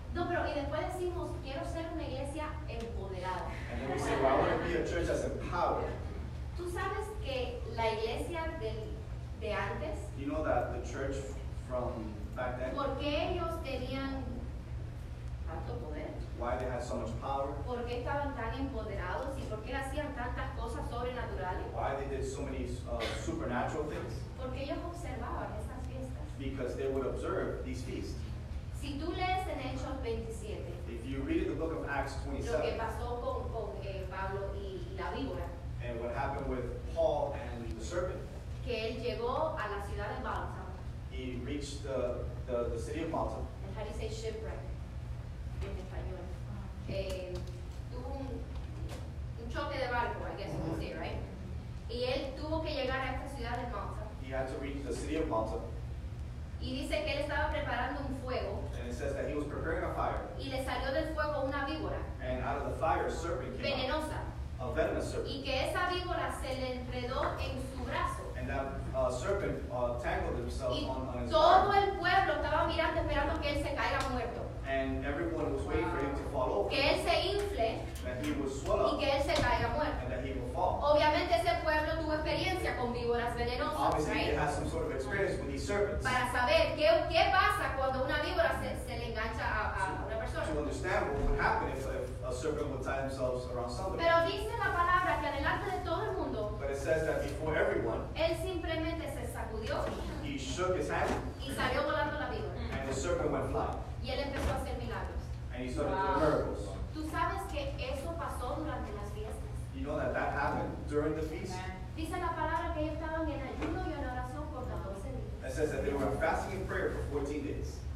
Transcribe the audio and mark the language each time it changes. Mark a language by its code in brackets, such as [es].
[es] No, pero y después decimos, quiero ser una iglesia empoderada. [en] And then we say, well, I want to be a church that's empowered. [es] ¿Tú sabes que la iglesia de antes? [en] You know that the church from back then? [es] ¿Por qué ellos tenían tanto poder? [en] Why they had so much power? [es] ¿Por qué estaban tan empoderados? ¿Y por qué hacían tantas cosas sobrenaturales? [en] Why they did so many supernatural things? [es] Porque ellos observaban esas fiestas. [en] Because they would observe these feasts. [es] Si tú lees en Hechos 27, [en] if you read the book of Acts 27, [es] lo que pasó con Pablo y la víbora, [en] and what happened with Paul and the serpent, [es] que él llegó a la ciudad de Malta, [en] he reached the city of Malta, and how do you say shipwreck [es] en español? Tuvo un choque de barco, [en] I guess you could say, right? [es] Y él tuvo que llegar a esta ciudad de Malta. [en] He had to reach the city of Malta. [es] Y dice que él estaba preparando un fuego. [en] And it says that he was preparing a fire. [es] Y le salió del fuego una víbora. [en] And out of the fire, a serpent came [es] venenosa. [en] Out. A venomous serpent. [es] Y que esa víbora se le enredó en su brazo. [en] And that serpent tangled himself on his arm. [es] Y todo el pueblo estaba mirando esperando que él se caiga muerto. [en] And everyone was waiting for him to fall over. [es] Que él se infle. [en] That he would swell up. [es] Y que él se caiga muerto. [en] And that he would fall. [es] Obviamente ese pueblo tuvo experiencia con víboras venenosas. [en] Obviously, right? He had some sort of experience with these serpents. [es] Para saber qué pasa cuando una víbora se le engancha a una persona. [en] To understand what would happen if a serpent would tie themselves around somebody. [es] Pero dice la palabra que adelante de todo el mundo. [en] But it says that before everyone. [es] Él simplemente se sacudió. [en] He shook his hand. [es] Y salió volando la víbora. [en] And the serpent went flying. [es] Y él empezó a hacer milagros. [en] And you saw the miracles. [es] ¿Tú sabes que eso pasó durante las fiestas? [en] You know that that happened during the feast? [es] Dice la palabra que ellos estaban en ayuno y en oración por 14 días. [en] It says that they were fasting and prayer for 14 days.